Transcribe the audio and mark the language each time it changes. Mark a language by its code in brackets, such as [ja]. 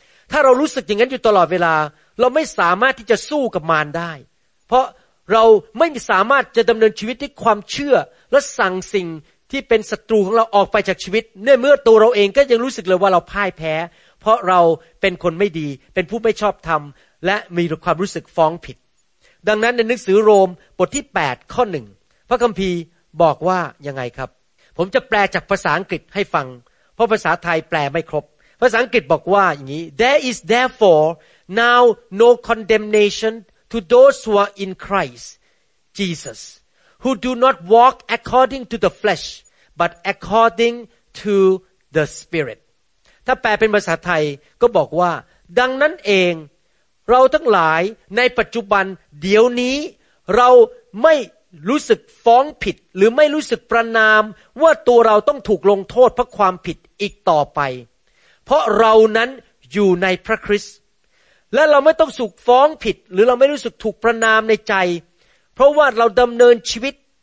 [th] ถ้าเรารู้สึกอย่างนั้นอยู่ตลอดเวลาเราไม่สามารถที่จะสู้กับมารได้เพราะเราไม่สามารถจะดำเนินชีวิตด้วยความเชื่อและสั่งสิ่งที่เป็นศัตรูของเราออกไปจากชีวิตเนื่องเมื่อตัวเราเองก็ยังรู้สึกเลยว่าเราพ่ายแพ้เพราะเราเป็นคนไม่ดีเป็นผู้ไม่ชอบธรรมและมีความรู้สึกฟ้องผิด ดังนั้นในหนังสือโรมบทที่8ข้อ1พระคัมภีร์บอกว่ายังไงครับผมจะแปลจากภาษาอังกฤษให้ฟังเพราะภาษาไทยแปลไม่ครบภาษาอังกฤษบอกว่าอย่างนี้ [en] There is therefore Now no condemnation to those who are in Christ Jesus, who do not walk according to the flesh, but according to the Spirit. [th] ถ้าแปลเป็นภาษาไทยก็บอกว่าดังนั้นเองเราทั้งหลายในปัจจุบันเดี๋ยวนี้เราไม่รู้สึกฟ้องผิดหรือไม่รู้สึกประณามว่าตัวเราต้องถูกลงโทษเพราะความผิดอีกต่อไปเพราะเรานั้นอยู่ในพระคริสต์และเราไม่ต้องสุขฟ้องผิดหรือเราไม่รู้สึกถูกประณามในใจเพราะว่าเราดำเนินชีวิต